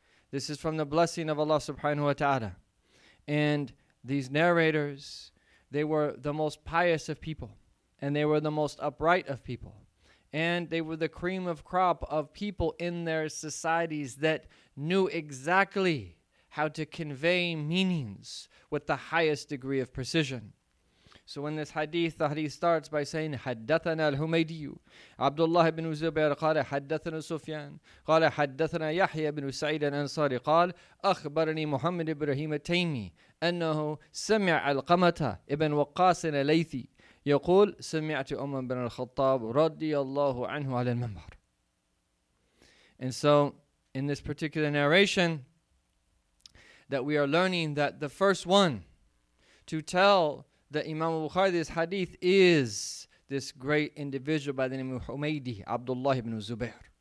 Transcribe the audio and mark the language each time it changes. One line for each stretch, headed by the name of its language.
English: This is from the blessing of Allah subhanahu wa ta'ala. And these narrators, they were the most pious of people, and they were the most upright of people, and they were the cream of crop of people in their societies that knew exactly how to convey meanings with the highest degree of precision. So in this hadith, the hadith starts by saying,
Arabic: حَدَّثَنَا الْهُمَيْدِيُّ عَبْدُ اللَّهِ بْنُ زُبَيْرَ قَالَ حَدَّثَنَا سُفْيَانَ قَالَ حَدَّثَنَا يَحْيَى بْنُ سَعِيدٍ أَنْصَارِ قَالَ أَخْبَرَنِي مُحَمَّدِ إِبْرَهِيمَ التَّيْمِي أَنَّهُ سَمِعَ الْقَمَتَ إِبْنَ وَقَاسٍ الْلَيْثِي يقول سمعت عمر بن الخطاب رضي الله عنه على المنبر.
English: And so in this particular narration that we are learning, that the first one to tell the Imam Bukhari this hadith is this great individual by the name of Humaydi, Abdullah ibn Zubair.